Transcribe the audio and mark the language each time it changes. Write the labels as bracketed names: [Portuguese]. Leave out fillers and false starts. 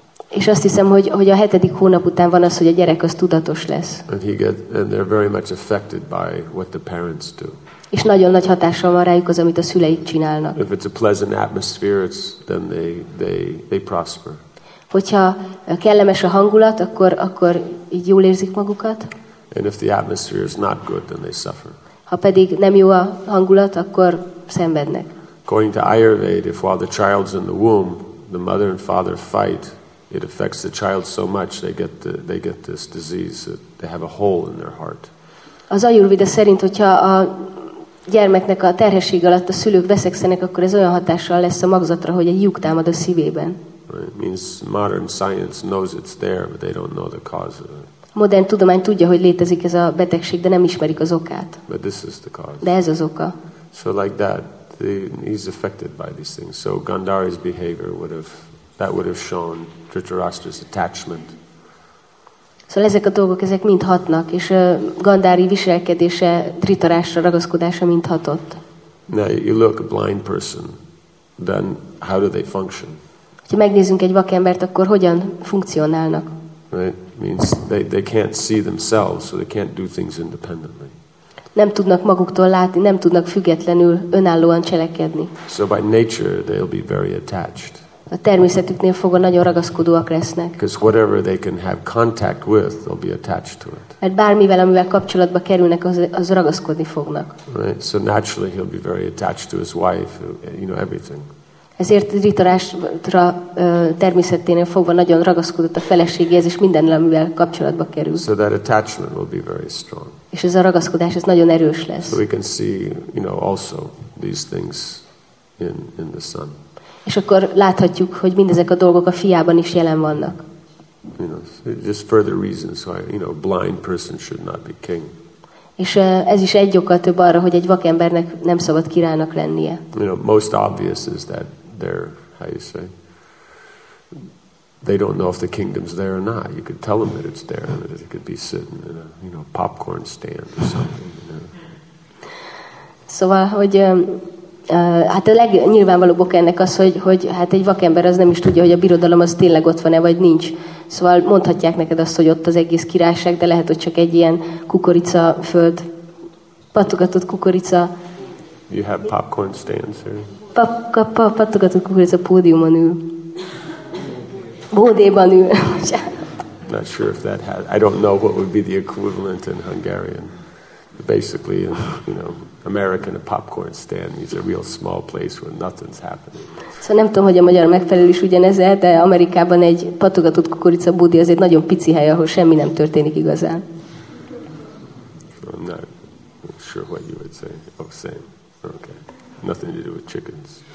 [Hungarian] És azt hiszem, hogy a hetedik hónap után van az, hogy a gyerek az tudatos lesz. [English] And they're very much affected by what the parents do. [Hungarian] És nagyon nagy hatással van rájuk az, amit a szüleik csinálnak. [English] If it's a pleasant atmosphere, then they prosper. [Hungarian] Hogyha kellemes a hangulat, akkor így jól érzik magukat. [English] And if the atmosphere is not good, then they suffer. [Hungarian] Ha pedig nem jó a hangulat, akkor szenvednek. [English] According to Ayurveda, if while the child's in the womb, the mother and father fight, it affects the child so much they get this disease that they have a hole in their heart. [Hungarian] Az Ayurveda szerint, hogyha a gyermeknek a terhesség alatt a szülők veszekszenek, akkor ez olyan hatással lesz a magzatra, hogy egy lyuk támad a szívében. [English] Right? It means modern science knows it's there, but they don't know the cause of it. [Hungarian] Modern tudomány tudja, hogy létezik ez a betegség, de nem ismerik az okát. [English] But this is the cause. [Hungarian] De ez az oka. [English] So like that, he's affected by these things. So Gandhari's behavior would have shown Dhritarashtra's attachment. [Hungarian] Szóval ezek a dolgok, ezek mind hatnak, és Gandhari viselkedése, Dhritarashtra ragaszkodása mind hatott. [English] Now you look a blind person, then how do they function? [Hungarian] Ha megnézzünk egy vakembert, akkor hogyan funkcionálnak? [English] Right? Means they can't see themselves, so they can't do things independently. [Hungarian] Nem tudnak maguktól látni, nem tudnak függetlenül, önállóan cselekedni. [English] So by nature they'll be very attached. [Hungarian] A természetüknél fogva nagyon ragaszkodóak lesznek. [English] Because whatever they can have contact with, they'll be attached to it. [Hungarian] Mert bármivel, amivel kapcsolatba kerülnek, az ragaszkodni fognak. [English] Right? So naturally he'll be very attached to his wife, you know, everything. [Hungarian] Ezért Dhritarashtra természeténél fogva nagyon ragaszkodott a feleségéhez, és minden, amivel kapcsolatba kerül. [English] So that attachment will be very strong. [Hungarian] És ez a ragaszkodás, ez nagyon erős lesz. [English] So we can see, you know, also these things in the sun. [Hungarian] És akkor láthatjuk, hogy mindezek a dolgok a fiában is jelen vannak. [English] You know, just further reasons why, you know, blind person should not be king. [Hungarian] És ez is egy okkal több arra, hogy egy vakembernek nem szabad királynak lennie. [English] You know, most obvious is that they're, how you say, they don't know if the kingdom's there or not. You could tell them that it's there, and that it could be sitting in a, you know, popcorn stand or something. You know. [Hungarian] Szóval, hogy hát a legnyilvánvalóbb oka ennek az, hogy hát egy vakember az nem is tudja, hogy a birodalom az tényleg ott van-e, vagy nincs. Szóval mondhatják neked azt, hogy ott az egész királyság, de lehet, hogy csak egy ilyen kukoricaföld, patogatott kukorica. [English] You have popcorn stands here. [Hungarian] Patogatott kukorica pódiumon ül. Bódéban ül. [English] Not sure if that has, I don't know what would be the equivalent in Hungarian. Basically, you know, American a popcorn stand is a real small place where nothing's happening. [Hungarian] So nem tudom, hogy a magyar megfelelő is ugyanez, de Amerikában egy patogatott kukorica búdi az egy nagyon pici hely, ahol semmi nem történik igazán. [English] So I'm not sure what you would say. Oh, same. Okay. Nothing to do with chickens.